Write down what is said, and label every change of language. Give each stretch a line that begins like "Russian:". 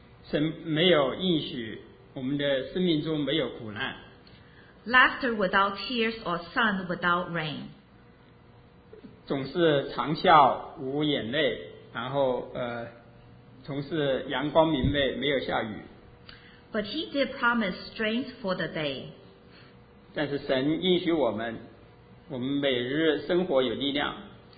Chinese: 神没有应许我们的生命中没有苦难。
English: Laughter without tears or sun without rain，
Chinese: 总是长笑无眼泪，然后从事阳光明媚没有下雨。
English: But he did promise strength for the day，
Chinese: 但是神应许我们每日生活有力量。